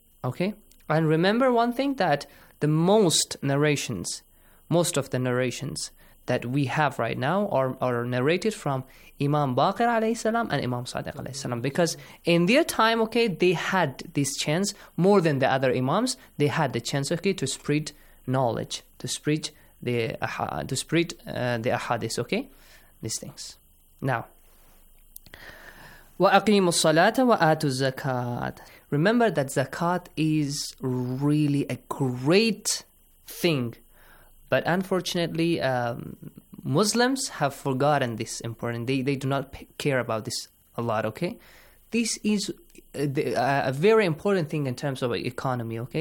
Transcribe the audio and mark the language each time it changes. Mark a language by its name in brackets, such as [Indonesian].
[English] Okay, and remember one thing, that the most of the narrations that we have right now are narrated from Imam Baqir alayhi salam and Imam Sadiq alayhi salam, because in their time, okay, they had this chance more than the other imams. They had the chance, okay, to spread knowledge, to spread the ahadith, okay, these things. [Arabic] Now, وَأَقِيمُ الصَّلَاةَ وَآتُ الزَّكَاةَ. [English] Remember that zakat is really a great thing. But unfortunately, Muslims have forgotten this important. They do not care about this a lot, okay? This is a very important thing in terms of economy, okay?